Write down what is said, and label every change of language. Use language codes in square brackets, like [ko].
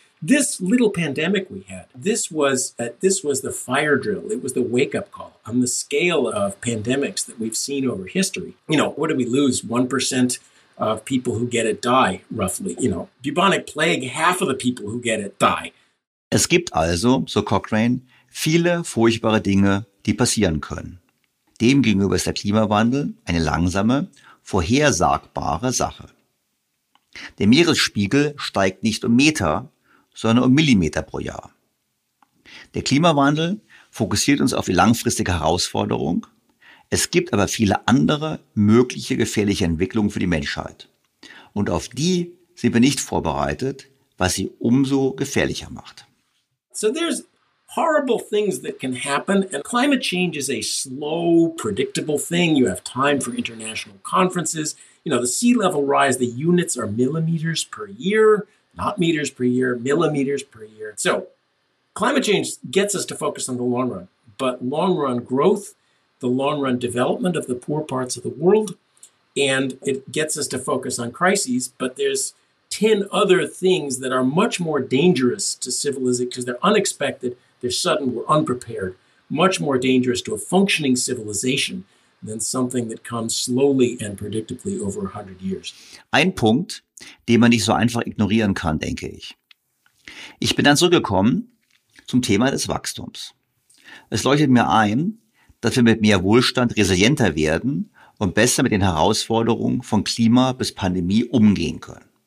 [en] This little pandemic we had, this was the fire drill. It was the wake-up call on the scale of pandemics that we've seen over history. You know, what did we lose? 1% of people who get it die, roughly. You know, bubonic plague, half of the people who get it die. [de] Es gibt also, so Cochrane, viele furchtbare Dinge, die passieren können. Demgegenüber ist der Klimawandel eine langsame, vorhersagbare Sache. Der Meeresspiegel steigt nicht um Meter, sondern um Millimeter pro Jahr. Der Klimawandel fokussiert uns auf die langfristige Herausforderung. Es gibt aber viele andere mögliche gefährliche Entwicklungen für die Menschheit. und auf die sind wir nicht vorbereitet, was sie umso gefährlicher macht. [en] So there's horrible things that can happen, and climate change is a slow, predictable thing. You have time for international conferences. You know, the sea level rise, the units are millimeters per year, not meters per year, millimeters per year. So climate change gets us to focus on the long run, but long run growth, the long run development of the poor parts of the world, and it gets us to focus on crises, but there's 10 other things that are much more dangerous to civilization because they're unexpected, they're sudden, we're unprepared, much more dangerous to a functioning civilization than something that comes slowly and predictably over 100 years. [de] Ein Punkt, den man nicht so einfach ignorieren kann, denke ich. Ich bin dann zurückgekommen zum Thema des Wachstums. Es leuchtet mir ein, dass wir mit mehr Wohlstand resilienter werden und besser mit den Herausforderungen von Klima bis Pandemie umgehen können.